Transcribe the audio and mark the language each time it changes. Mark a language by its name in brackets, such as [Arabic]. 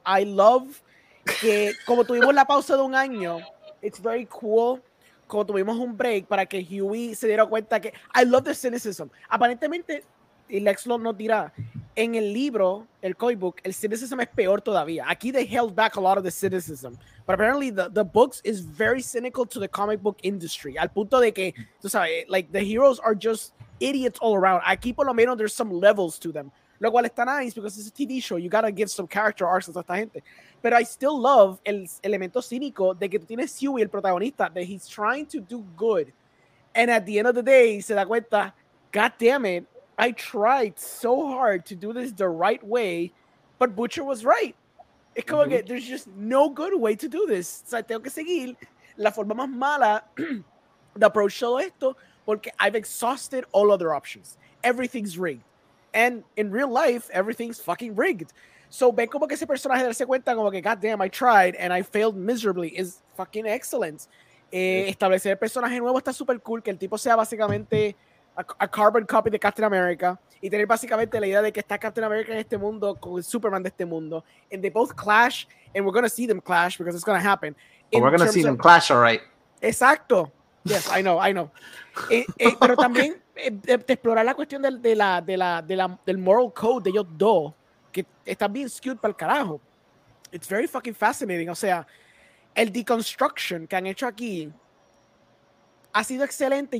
[English] I love [Spanish] que como tuvimos la pausa de un año, [English] it's very cool. [Spanish] Como tuvimos un break para que Huey se diera cuenta que [English] I love the cynicism. [Spanish] Aparentemente, y Lex Luthor nos dirá, en el libro, el comic book, el cynicism es peor todavía. Aquí [English] they held back a lot of the cynicism. But apparently the books is very cynical to the comic book industry. [Spanish] Al punto de que, tú sabes, [English] like the heroes are just idiots all around. [Spanish] Aquí por lo menos [English] there's some levels to them. [Spanish] Lo cual está nice [English] because it's a TV show. You gotta give some character arcs [Spanish] a esta gente. [English] But I still love [Spanish] el elemento cínico de que tú tienes Huey, el protagonista, [English] that he's trying to do good. And at the end of the day, [Spanish] se da cuenta, [English] God damn it, I tried so hard to do this the right way, but Butcher was right. It's como que there's just no good way to do this. [Spanish] O sea, tengo que seguir la forma más mala de approach todo esto porque [English] I've exhausted all other options. Everything's rigged. And in real life, everything's fucking rigged. So [Spanish] ven como que ese personaje darse cuenta como que [English] God damn, I tried and I failed miserably is fucking excellent. [Spanish] Establecer el personaje nuevo está super cool, que el tipo sea básicamente a carbon copy de Captain America y tener básicamente la idea de que está Captain America en este mundo con el Superman de este mundo. [English] And they both clash and we're going to see them clash because it's going to happen. We're going to see them clash, all right. Exacto. Yes, I know, I know. [Spanish] pero también de explorar la cuestión del moral code de ellos dos, que están bien skewed para el carajo. [English] It's very fucking fascinating. [Spanish] O sea, el deconstruction que han hecho aquí ha sido excelente.